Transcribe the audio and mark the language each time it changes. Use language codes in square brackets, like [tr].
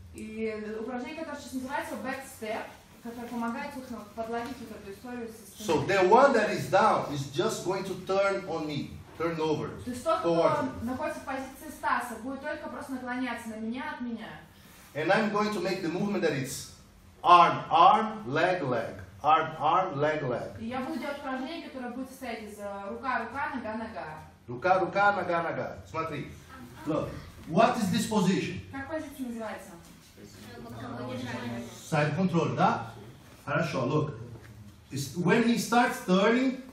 [ru] И упражнение, которое сейчас называется back step, которое помогает подловить вот эту историю. [en] So the one that is down is just going to turn on me. Turn over. [ru] То есть тот, кто находится в позиции Стаса, будет только просто наклоняться на меня от меня. [en] And I'm going to make the movement that is arm, arm, leg, leg. Arm, arm, leg, leg. [ru] И я буду делать упражнение, которое будет состоять из рука, рука, нога, нога. Рука, рука, нога, нога. Смотри. [en] Look. What is this position? [ru] Как позиция называется? [en] Side control, [ru] да? Хорошо, [en] look. When he starts turning,